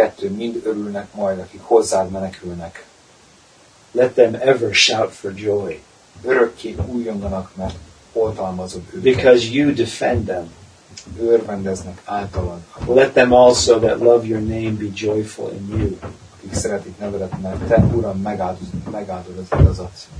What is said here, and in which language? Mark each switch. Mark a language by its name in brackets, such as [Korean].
[Hungarian] Mind örülnek majd, akik hozzád menekülnek. [English] Let them ever shout for joy. [Hungarian] Örökké újonganak, mert oltalmazod őket. [English] Because you defend them. [Hungarian] Örvendeznek általad. [English] Let them also that love your name be joyful in you. [Hungarian] Szeretik nevedet, mert te, Uram, megáldod az igazat.